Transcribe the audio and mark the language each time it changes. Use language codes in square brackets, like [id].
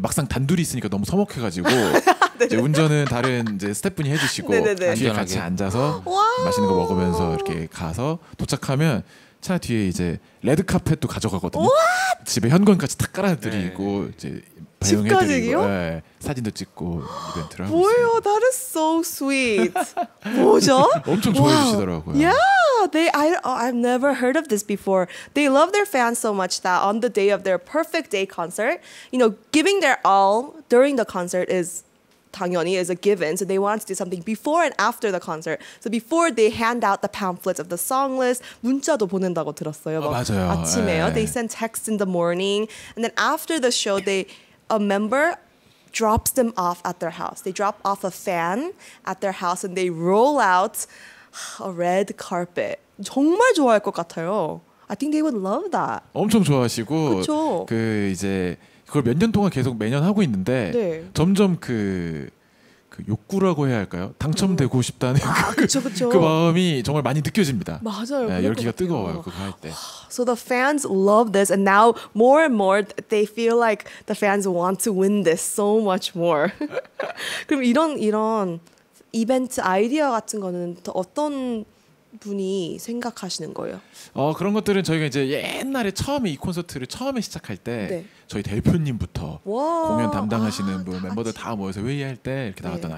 [ko] 막상 단둘이 있으니까 너무 서먹해가지고 이제 운전은 다른 이제 스태프분이 해주시고 뒤에 같이 앉아서 맛있는 거 먹으면서 이렇게 가서 도착하면 차 뒤에 이제 레드 카펫도 가져가거든요. 집에 현관까지 다 깔아드리고 네. 이제 집까지요? 네. 사진도 찍고 이벤트를 하고 있어요. 뭐야, [en] that is so sweet. [ko] 뭐죠? 엄청 좋아해 주시더라고요. [en] Yeah, I've never heard of this before. They love their fans so much that on the day of their perfect day concert, you know, giving their all during the concert is [ko] 당연히 [en] is a given. So they want to do something before and after the concert. So before they hand out the pamphlets of the song list, [ko] 문자도 보낸다고 들었어요. 어, 맞아요. 아침에요. [en] 네. They send texts in the morning, and then after the show, a member drops them off at their house. They drop off a fan at their house, and they roll out a red carpet. [ko] 정말 좋아할 것 같아요. [en] I think they would love that. [ko] 엄청 좋아하시고 그쵸? 그 이제 그걸 몇 년 동안 계속 매년 하고 있는데 네. 점점 그 욕구라고 해야 할까요? 당첨되고 싶다는 그 마음이 정말 많이 느껴집니다. 맞아요. 네, 열기가 뜨거워요. 그거 할 때. [en] So the fans love this and now more and more they feel like the fans want to win this so much more. [ko] 그럼 이런 이벤트 아이디어 같은 거는 더 어떤 분이 생각하시는 거예요? 그런 것들은 저희가 이제 옛날에 처음에 이 콘서트를 처음에 시작할 때 네. 저희 대표님부터 와, 공연 담당하시는 분, 멤버들 다 모여서 회의할 때 이렇게 나왔던 네.